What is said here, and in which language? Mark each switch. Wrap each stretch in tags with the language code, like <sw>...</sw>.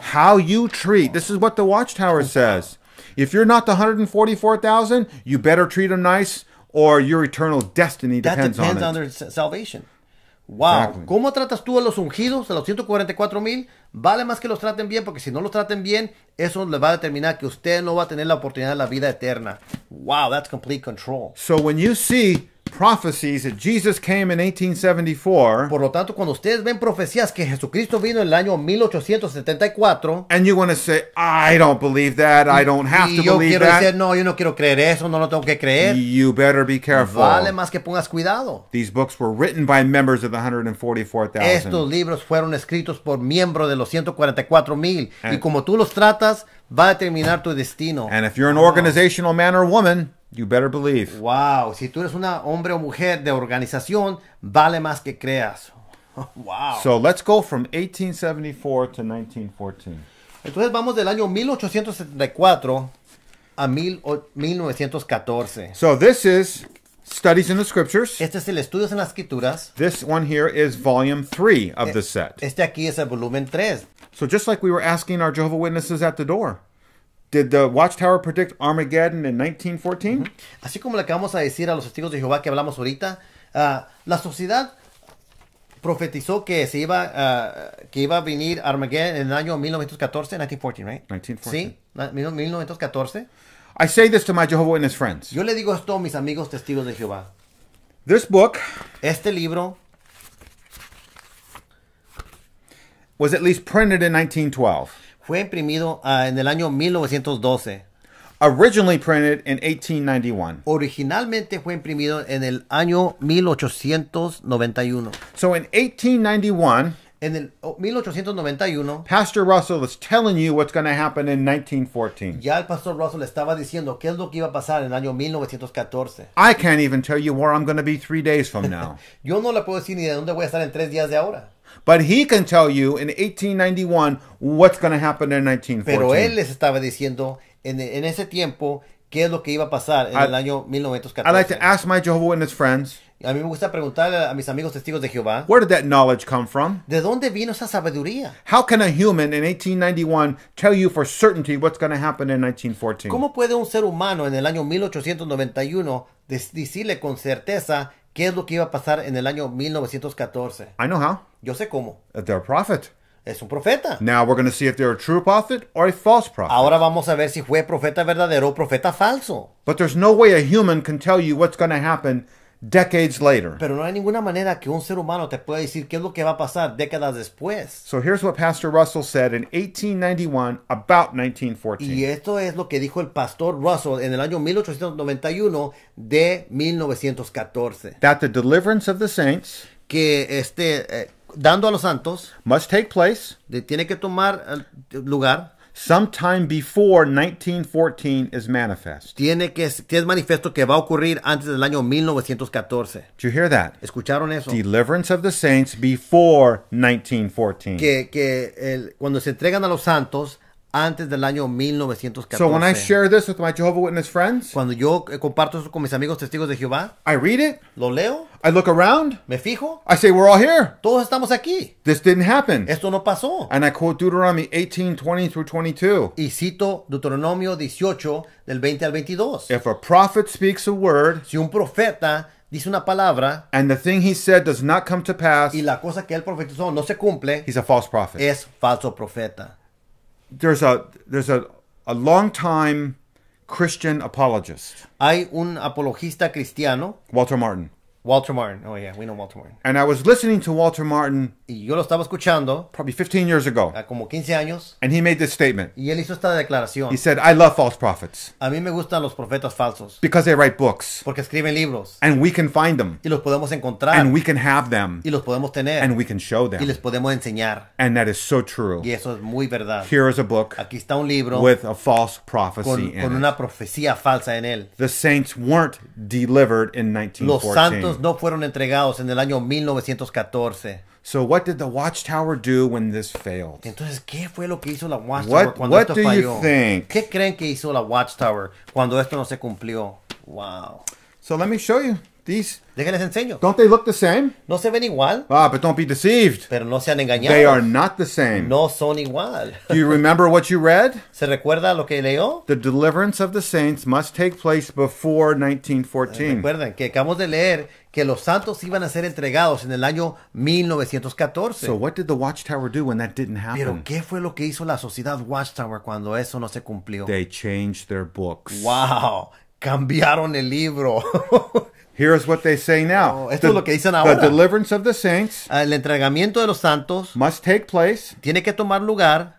<en>How you treat, this is what the Watchtower says. If you're not the 144,000, you better treat them nice, or your eternal destiny depends on it. That depends on their salvation. Wow. Exactly.</en> <es>¿Cómo tratas tú a los ungidos, a los 144,000? Vale más que los traten bien, porque si no los traten bien, eso le va a determinar que usted no va a tener la oportunidad de la vida eterna.</es> <en>Wow, that's complete control. So when you see prophecies that Jesus came in 1874,</en> <es>por lo tanto, cuando ustedes ven profecías que Jesucristo vino en el año 1874,</es> <en>and you want to say, I don't believe that, I don't have to believe that.</en> <es>Y yo quiero decir, no, yo no quiero creer eso, no lo tengo que creer.</es> <en>You better be careful.</en> <es>Vale más que pongas cuidado.</es> <en>These books were written by members of the 144,000.</en> <es>Estos libros fueron escritos por miembros de los 144,000. Y como tú los tratas, va a determinar tu destino.</es> <en>And if you're an organizational man or woman, you better believe. Wow.</en> <es>Si tú eres una hombre o mujer de organización, vale más que creas.</es> <en>Wow. So let's go from 1874 to 1914.</en> <es>Entonces vamos del año 1874 a 1914.</es> <en>So this is Studies in the Scriptures.</en> <es>Este es el Estudios en las Escrituras.</es> <en>This one here is volume 3 of the set.</en> <es>Este aquí es el volumen 3.</es> <en>So just like we were asking our Jehovah Witnesses at the door. Did the Watchtower predict Armageddon in 1914? Mm-hmm.</en> <es>Así como le acabamos de decir a los testigos de Jehová que hablamos ahorita, la sociedad profetizó que se iba que iba a venir Armageddon en el año 1914, 1914,</es> <en>right? 1914.</en> <es>Sí, 1914.</es> <en>I say this to my Jehovah Witness friends.</en> <es>Yo le digo esto a mis amigos testigos de Jehová.</es> <en>This book,</en> <es>este libro,</es> <en>was at least printed in 1912.</en> <es>Fue imprimido en el año 1912.</es> <en>Originally printed in 1891.</en> <es>Originalmente fue imprimido en el año 1891.</es> <en>So in 1891,</en> <es>En el 1891,</es> <en>Pastor Russell was telling you what's going to happen in 1914.</en> <es>Ya el Pastor Russell estaba diciendo qué es lo que iba a pasar en el año 1914.</es> <en>I can't even tell you where I'm going to be 3 days from now.</en> <es>Yo no le puedo decir ni de dónde voy a estar en 3 días de ahora.</es> <en>But he can tell you in 1891 what's going to happen in 1914.</en> <es>Pero él les estaba diciendo en ese tiempo qué es lo que iba a pasar en el año 1914.</es> <en>I'd like to ask my Jehovah Witness friends.</en> <es>A mí me gusta preguntarle a mis amigos testigos de Jehová.</es> <en>Where did that knowledge come from?</en> <es>¿De dónde vino esa sabiduría?</es> <en>How can a human in 1891 tell you for certainty what's going to happen in 1914?</en> <es>¿Cómo puede un ser humano en el año 1891 decirle con certeza qué es lo que iba a pasar en el año 1914?</es> <en>I know how.</en> <es>Yo sé cómo.</es> <en>They're a prophet.</en> <es>Es un profeta.</es> <en>Now we're going to see if they're a true prophet or a false prophet.</en> <es>Ahora vamos a ver si fue profeta verdadero o profeta falso.</es> <en>But there's no way a human can tell you what's going to happen decades later.</en> <es>Pero no hay ninguna manera que un ser humano te pueda decir qué es lo que va a pasar décadas después.</es> <en>So here's what Pastor Russell said in 1891 about 1914.</en> <es>Y esto es lo que dijo el Pastor Russell en el año 1891 de 1914.</es> <en>That the deliverance of the saints,</en> <es>que dando a los santos,</es> <en>must take place,</en> <es>tiene que tomar lugar,</es> <en>sometime before 1914 is manifest.</en> <es>Tiene manifiesto que va a ocurrir antes del año 1914.</es> <en>Did you hear that?</en> <es>¿Escucharon eso?</es> <en>Deliverance of the saints before 1914.</en> <es>Que cuando se entregan a los santos antes del año 1914.</es> <en>So when I share this with my Jehovah Witness friends,</en> <es>cuando yo comparto eso con mis amigos testigos de Jehová,</es> <en>I read it.</en> <es>Lo leo.</es> <en>I look around.</en> <es>Me fijo.</es> <en>I say, we're all here.</en> <es>Todos estamos aquí.</es> <en>This didn't happen.</en> <es>Esto no pasó.</es> <en>And I quote Deuteronomy 18:20-22.</en> <es>Y cito Deuteronomio 18, del 20 al 22.</es> <en>If a prophet speaks a word,</en> <es>si un profeta dice una palabra,</es> <en>and the thing he said does not come to pass,</en> <es>y la cosa que él profetizó no se cumple,</es> <en>he's a false prophet.</en> <es>Es falso profeta.</es> <en>There's a long time Christian apologist.</en> <es>Hay un apologista cristiano.</es> <en>Walter Martin. Walter Martin. Oh yeah, we know Walter Martin. And I was listening to Walter Martin.</en> <es>Y yo lo estaba escuchando.</es> <en>Probably 15 years ago.</en> <es>Como 15 años.</es> <en>And he made this statement.</en> <es>Y él hizo esta declaración.</es> <en>He said, "I love false prophets."</en> <es>A mí me gustan los profetas falsos.</es> <en>Because they write books.</en> <es>Porque escriben libros.</es> <en>And we can find them.</en> <es>Y los podemos encontrar.</es> <en>And we can have them.</en> <es>Y los podemos tener.</es> <en>And we can show them.</en> <es>Y les podemos enseñar.</es> <en>And that is so true.</en> <es>Y eso es muy verdad.</es> <en>Here is a book.</en> <es>Aquí está un libro.</es> <en>With a false prophecy</en> <es>con,</es> <en>in</en> <es>con una</es> <en>it.</en> <es>Profecía falsa en él.</es> <en>The saints weren't delivered in 1914.</en> <es>Los santos no fueron entregados en el año 1914.</es> <en>So what did the Watchtower do when this failed?</en> <es>Entonces, ¿qué fue lo que hizo la Watchtower cuando esto falló?</es> <en>What do you think?</en> <es>¿Qué creen que hizo la Watchtower cuando esto no se cumplió?</es> <en>Wow. So let me show you these.</en> <es>Déjenles enseño.</es> <en>Don't they look the same?</en> <es>¿No se ven igual?</es> <en>Ah, but don't be deceived.</en> <es>Pero no se han engañado.</es> <en>They are not the same.</en> <es>No son igual.</es> <en>Do you remember what you read?</en> <es>¿Se recuerda lo que leyó?</es> <en>The deliverance of the saints must take place before 1914.</en> <es>Recuerden que acabamos de leer que los santos iban a ser entregados en el año 1914.</es> <en>So what did the Watchtower do when that didn't happen?</en> <es>¿Pero qué fue lo que hizo la Sociedad Watchtower cuando eso no se cumplió?</es> <en>They changed their books.</en> <es>Wow, cambiaron el libro.</es> <en>Here's what they say now.</en> <es>Oh, esto es lo que dicen ahora.</es> <en>The deliverance of the saints,</en> <es>el entregamiento de los santos,</es> <en>must take place,</en> <es>tiene que tomar lugar,</es>